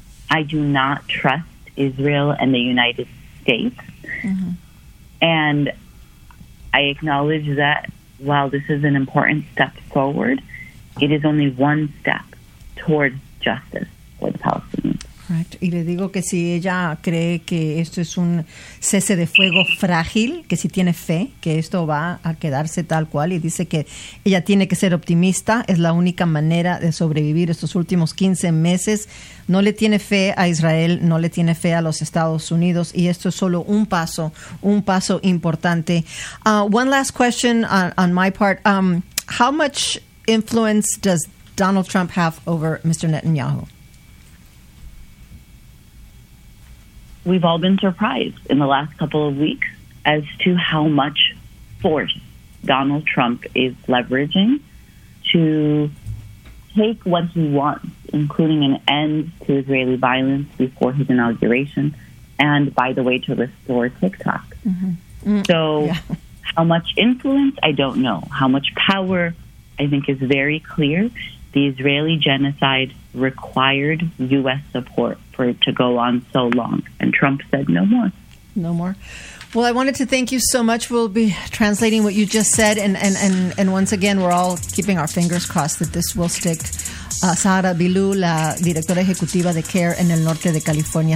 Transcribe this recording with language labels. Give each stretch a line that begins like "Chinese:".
English: I do not trust Israel and the United States. Mm-hmm. And I acknowledge that while this is an important step forward, it is only one step towards justice for the Palestinians. Correct.
Spanish: Y le digo que si ella cree que esto es un cese de fuego frágil, que si tiene fe que esto va a quedarse tal cual, y dice que ella tiene que ser optimista, es la única manera de sobrevivir estos últimos 15 meses. No le tiene fe a Israel, no le tiene fe a los Estados Unidos, y esto es solo un paso importante.
English: One last question on my part. How much influence does Donald Trump have over Mr. Netanyahu? We've all been surprised in the last couple of weeks as to how much force Donald Trump is leveraging to take what he wants, including an end to Israeli violence before his inauguration, and, by the way, to restore TikTok. Mm-hmm. So yeah. How much influence, I don't know. How much power, I think, is very clear. The Israeli genocide required U.S. support for it to go on so long. And Trump said no more. No more. Well, I wanted to thank you so much. We'll be translating what you just said. And once again, we're all keeping our fingers crossed that this will stick.
Spanish: Sara Bilou, la directora ejecutiva de CARE en el norte de California.